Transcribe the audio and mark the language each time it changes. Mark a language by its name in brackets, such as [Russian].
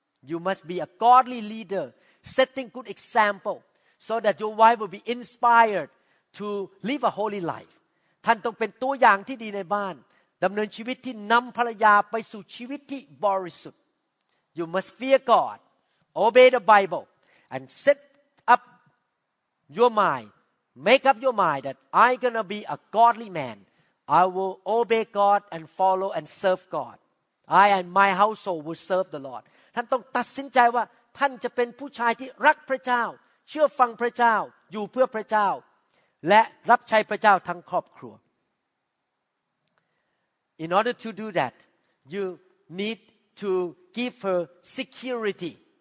[English] You must be a godly leader setting good example so that your wife will be inspired to live a holy life [Thai] ท่านต้องเป็นตัวอย่างที่ดีในบ้านดำเนินชีวิตที่นำภรรยาไปสู่ชีวิตที่บริสุทธิ์ [English] You must fear God obey the Bible and set up your mind make up your mind that I'm going to be a godly manI will obey God and follow and serve God. I and my household will serve the Lord. [Thai] ท่านต้องตัดสินใจว่าท่านจะเป็นผู้ชายที่รักพระเจ้าเชื่อฟังพระเจ้าอยู่เพื่อพระเจ้าและรับใช้พระเจ้าทั้งครอบครัว [English] In order to do that, you need to give her security.